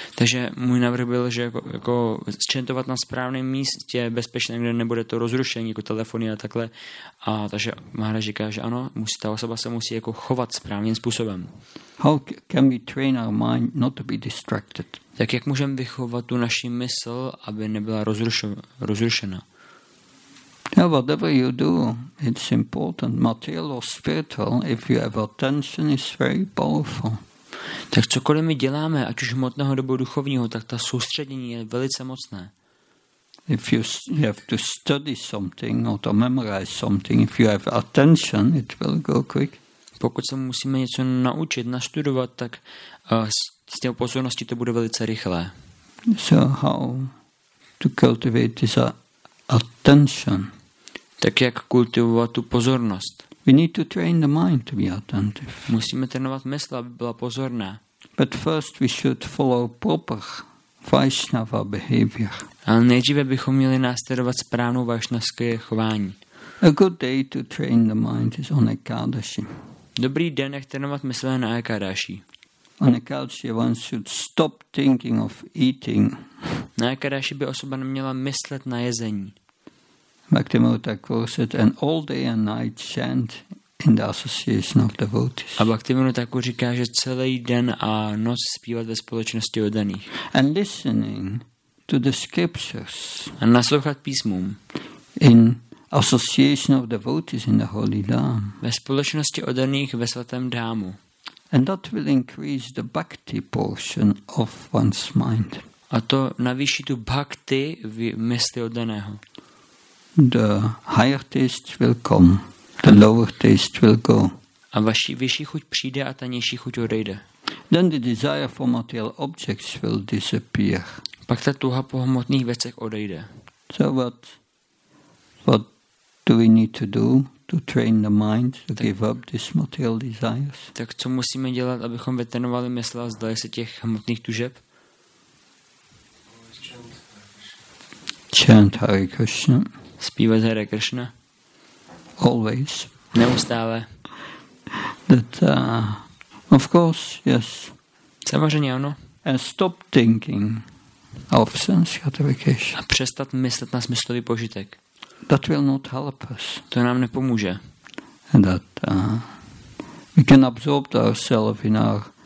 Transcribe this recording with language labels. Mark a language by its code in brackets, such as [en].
[cs] Takže můj návrh byl, že jako chantovat na správném místě, bezpečném, kde nebude to rozrušení, jako telefony a takhle. A takže Mahara říká, že ano, ta osoba se musí jako chovat správným způsobem. [en] How can we train our mind not to be distracted? [cs] Tak jak můžeme vychovat tu naši mysl, aby nebyla rozrušena? [en] Yeah, whatever you do, it's important, material or spiritual, if you have attention, it's very powerful. [cs] Tak cokoliv my děláme, ať už hmotného nebo duchovního, tak ta soustředění je velice mocné. [en] If you have to study something or to memorize something, if you have attention, it will go quick. [cs] Pokud se musíme něco naučit, nastudovat, tak s těmi pozorností to bude velice rychlé. [en] So how to cultivate this attention? [cs] Tak jak kultivovat tu pozornost? [en] We need to train the mind to be attentive. [cs] Musíme trénovat mysl, aby byla pozorná. [en] But first we should follow proper Vaishnava behavior. [cs] Ale nejdříve bychom měli následovat správnou vaishnavské chování. [en] A good day to train the mind is on Ekadashi. [cs] Dobrý den, jak trénovat mysl na Ekadashi. [en] On Ekadashi one should stop thinking of eating. [cs] Na Ekadashi by osoba neměla myslet na jezení. [en] Bhaktivinoda Thakura said, and all day and night chant in the association of devotees. [cs] A Bhaktivinoda Thakura říká, že celý den a noc zpívat ve společnosti oddaných. [en] And listening to the scriptures. [cs] A naslouchat písmům. [en] In association of devotees in the holy dham. [cs] Ve společnosti oddaných ve svatém dhámu. [en] And that will increase the bhakti portion of one's mind. [cs] A to navýší tu bhakti v mysli oddaného. [en] The higher taste will come, the lower taste will go. [cs] A vaši vyšší chuť přijde a ta nižší chuť odejde. [en] Then the desire for material objects will disappear. [cs] Pak ta touha po hmotných věcech odejde. [en] So what do we need to do to train the mind to [cs] tak, [en] give up these material desires? [cs] Tak co musíme dělat, abychom vytrénovali mysl a vzdali se těch hmotných tužeb? [en] Chant Hare Krishna. [cs] Zpívat Hare Krishna. [en] Always. [cs] Neustále. [en] That, of course, yes. [cs] Samozřejmě ano. [en] And stop thinking of sense gratification. [cs] A přestat myslet na smyslový požitek. [en] That will not help us. [cs] To nám nepomůže. [en] And that we can absorb ourselves in our